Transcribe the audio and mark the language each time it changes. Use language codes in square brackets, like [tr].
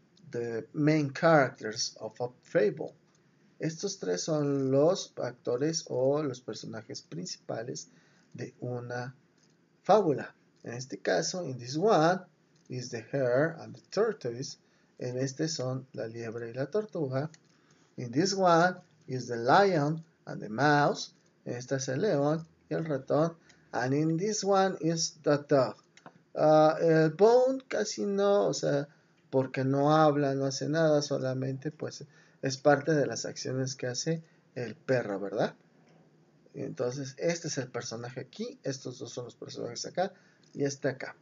[en] the main characters of a fable. [es] Estos tres son los actores o los personajes principales de una fábula. En este caso, [en] in this one, is the hare and the tortoise. [es] En este son la liebre y la tortuga. [en] In this one, is the lion and the mouse. [es] En este es el león y el ratón. [en] And in this one, is the dog. [es] El Bone casi no, o sea, porque no habla, no hace nada, solamente pues es parte de las acciones que hace el perro, ¿verdad? Entonces, este es el personaje aquí, estos dos son los personajes acá y este acá.